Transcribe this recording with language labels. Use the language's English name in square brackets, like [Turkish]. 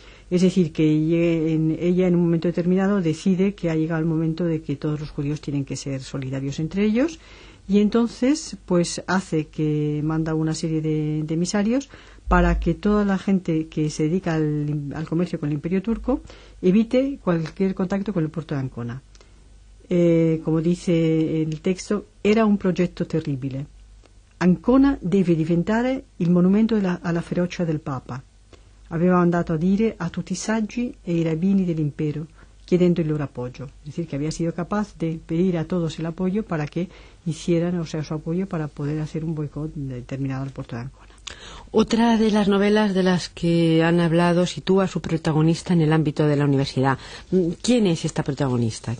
[Spanish] Es decir, que ella en un momento determinado decide que ha llegado el momento de que todos los judíos tienen que ser solidarios entre ellos, y entonces pues hace que manda una serie de emisarios para que toda la gente que se dedica al comercio con el Imperio Turco evite cualquier contacto con el puerto de Ancona. Como dice el texto, era un proyecto terrible. [Italian] Ancona debe diventare il monumento alla ferocia del Papa. Aveva mandato a dire a tutti i saggi e i rabbini dell'impero, chiedendo il loro appoggio. [Spanish] Es decir, que había sido capaz de pedir a todos el apoyo para que hicieran, o sea, su apoyo para poder hacer un boicot determinado al puerto de Ancona. Otra de las novelas de las que han hablado sitúa a su protagonista en el ámbito de la universidad. ¿Quién es esta protagonista?